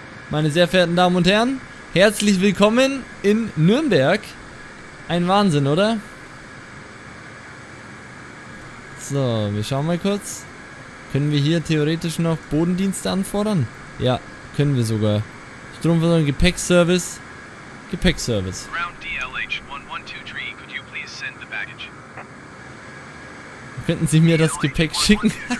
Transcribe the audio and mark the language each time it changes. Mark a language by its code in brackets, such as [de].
[de] Meine sehr verehrten Damen und Herren, herzlich willkommen in Nürnberg. Ein Wahnsinn, oder? So, wir schauen mal kurz. Können wir hier theoretisch noch Bodendienste anfordern? Ja, können wir sogar. Stromversorgung, Gepäckservice. Gepäckservice. [en] Ground DLH 1123, could you please send the baggage? [de] Könnten Sie mir das Gepäck schicken?